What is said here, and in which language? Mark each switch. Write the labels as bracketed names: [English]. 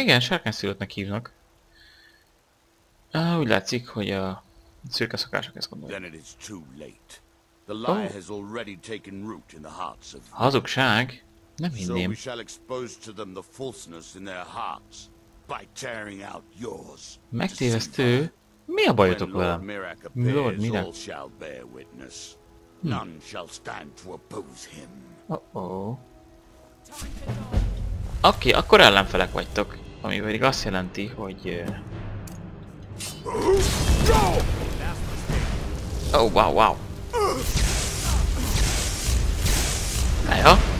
[Hungarian] Igen, sárkányszülöttnek hívnak. Úgy látszik, hogy a szürke szokások ezt gondolják. [English] Then it is too late. The lie has already taken root in the hearts of. [Hungarian] Hazugság? Nem hinném. [English] So we shall expose to them the falseness in their hearts by tearing out yours. [Hungarian] Megtévesztő? Mi a bajotok vele? [English] Lord Mirak. All shall bear witness. None shall stand to oppose him. Oh-oh. [Hungarian] Oké, okay, akkor ellenfelek vagytok, ami pedig azt jelenti, hogy. Oh, wow. Ja.